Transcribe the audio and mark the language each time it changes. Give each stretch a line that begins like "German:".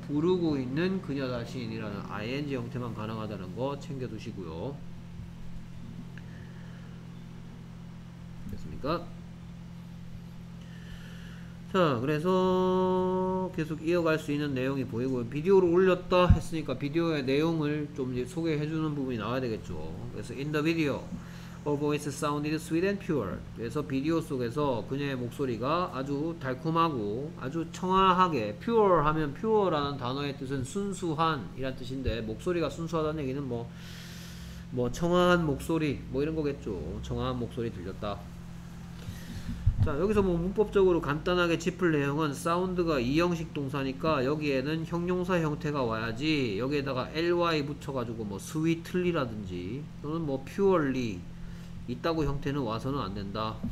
Korean: 부르고 있는 그녀 자신이라는 ing 형태만 가능하다는 거 챙겨 두시고요. 됐습니까? 자, 그래서 계속 이어갈 수 있는 내용이 보이고요. 비디오를 올렸다 했으니까 비디오의 내용을 좀 이제 소개해 주는 부분이 나와야 되겠죠.
English: 그래서 in the video her voice sounded sweet and pure.
Korean: 그래서 비디오 속에서 그녀의 목소리가 아주 달콤하고 아주 청아하게, pure 하면 pure라는 단어의 뜻은 순수한 이란 뜻인데, 목소리가 순수하다는 얘기는 뭐 청아한 목소리 뭐 이런 거겠죠. 청아한 목소리 들렸다. 자, 여기서 뭐 문법적으로 간단하게 짚을 내용은 사운드가 2형식 동사니까 여기에는 형용사 형태가 와야지 여기에다가 ly 붙여가지고 뭐 sweetly라든지 또는 뭐 purely 있다고 형태는 와서는 안 된다.